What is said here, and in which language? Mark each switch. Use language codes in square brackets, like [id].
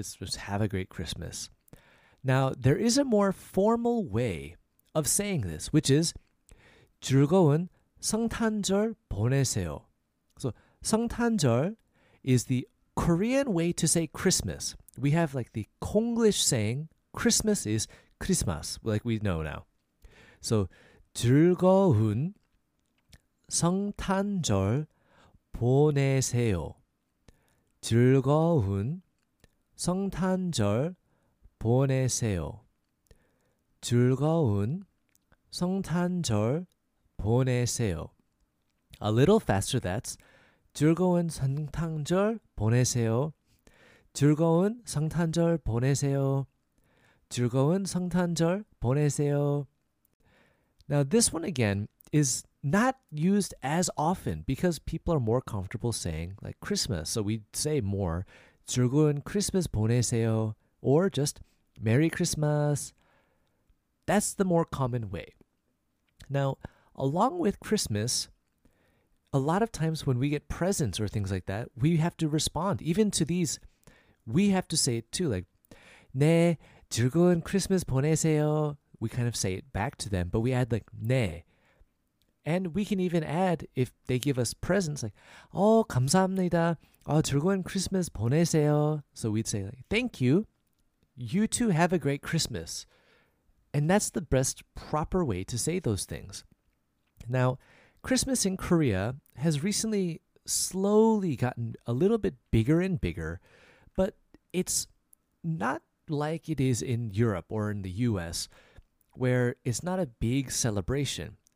[en] It's just have a great Christmas. Now, there is a more formal way of saying this, which is [ko] 즐거운 성탄절 보내세요. [en] So, 성탄절 is the Korean way to say Christmas. We have like the Konglish saying Christmas is Christmas, like we know now. [ko] So, 즐거운 성탄절 보내세요. 즐거운 성탄절 보내세요. 즐거운 성탄절 보내세요. [en] A little faster, that's [ko] 즐거운 성탄절 보내세요. 즐거운 성탄절 보내세요. 즐거운 성탄절 보내세요. [en] Now this one again is not used as often because people are more comfortable saying like Christmas. So we say more [ko] 즐거운 크리스마스 보내세요 [en] or just Merry Christmas. That's the more common way. Now, along with Christmas, a lot of times when we get presents or things like that, we have to respond. Even to these, we have to say it too, like [ko] 네, 즐거운 크리스마스 보내세요. [en] We kind of say it back to them, but we add like 네. And we can even add, if they give us presents, like, oh, [ko] 감사합니다. Oh, 즐거운 크리스마스 보내세요. [en] So we'd say, like, thank you. You too have a great Christmas. And that's the best proper way to say those things. Now, Christmas in Korea has recently slowly gotten a little bit bigger and bigger. But it's not like it is in Europe or in the US, where it's not a big celebration.